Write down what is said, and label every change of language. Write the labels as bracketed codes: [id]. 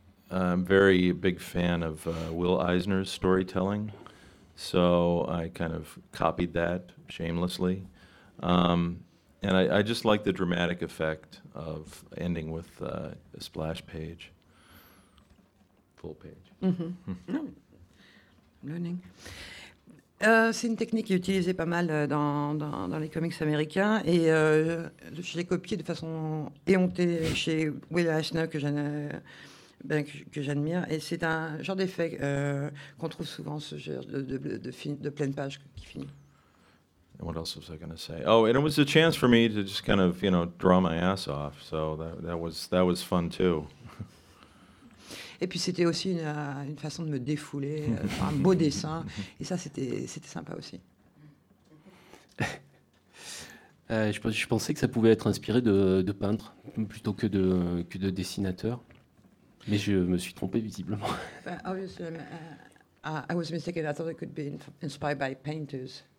[en] I'm very big fan of Will Eisner's storytelling, so I kind of copied that shamelessly. And I just like the dramatic effect of ending with a splash page, full page. Mm-hmm. Learning. [fr] C'est une technique qui est utilisée pas mal dans les comics américains. Et je l'ai copiée de façon éhontée chez Will Eisner, que j'admire. Et c'est un genre d'effet qu'on trouve souvent, ce genre de pleine page qui finit. [en] What else was I going to say? Oh, and it was a chance for me to just kind of, you know, draw my ass off. So that was fun too. [fr] Et puis c'était aussi une façon de me défouler, un beau dessin. Et ça, c'était sympa aussi. Je pensais que ça pouvait être inspiré de peintre plutôt que de dessinateur, mais je me suis trompé visiblement. [en] I was mistaken. I thought it could be inspired by painters.